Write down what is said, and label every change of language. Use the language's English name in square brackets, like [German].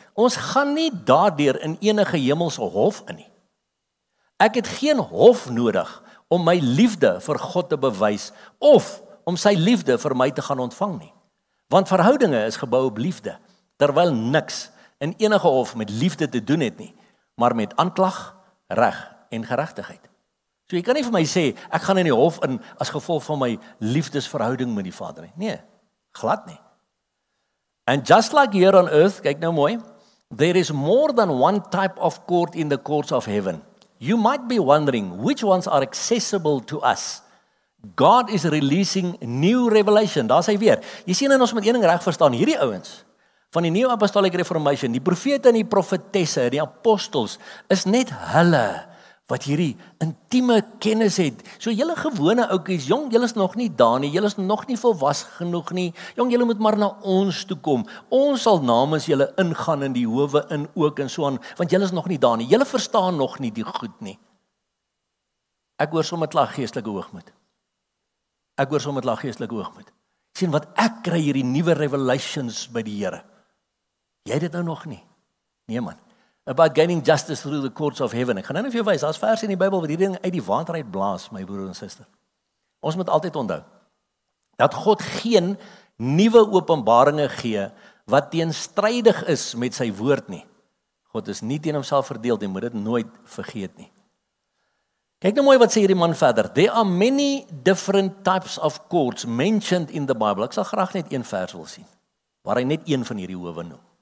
[Afrikaans] Ons gaan nie daardeur in enige hemelse hof in nie. Ek het geen hof nodig om my liefde vir God te bewys of om sy liefde vir my te gaan ontvang nie. Want verhoudinge is gebou op liefde, terwyl niks in enige hof met liefde te doen het nie, maar met aanklag, reg en geregtigheid. So jy kan nie vir my sê, ek gaan in die hof in as gevolg van my liefdesverhouding met die Vader nie. Nee, glad nie. [English] And just like here on earth, [Afrikaans] kyk nou mooi, [English] there is more than one type of court in the courts of heaven. You might be wondering which ones are accessible to us. God is releasing new revelation. [Afrikaans] Daar sê hy weer. Jy sien en ons moet een ding reg verstaan. Hierdie ouens van die New Apostolic Reformation, die profete en die profetesse, die apostels, is net hulle wat hierdie intieme kennis het. So julle gewone oukies, jong, julle is nog nie daar nie, julle is nog nie volwas genoeg nie. Jong, julle moet maar na ons toe kom. Ons sal namens julle ingaan in die howe in ook en so aan, want julle is nog nie daar nie. Julle verstaan nog nie die goed nie. Ek hoor sommer klag geestelike hoogmoed. Ek hoor sommer klag geestelike hoogmoed. Sien wat ek kry hierdie nuwe revelations by die Here. Jy het dit nou nog nie. Nee man. [English] About gaining justice through the courts of heaven. [Afrikaans] Ek gaan nou nie vir jou wys, daar is verse in die Bybel wat hierdie ding uit die water uit blaas, my broer en suster. Ons moet altyd onthou, dat God geen nuwe openbaringe gee, wat teenstrydig is met sy woord nie. God is nie teen homself verdeeld, jy moet dit nooit vergeet nie. Kyk nou mooi wat sê hierdie man verder. [English] There are many different types of courts mentioned in the Bible. [Afrikaans] Ek sal graag net een vers wil sien, waar hy net een van hierdie howe noem.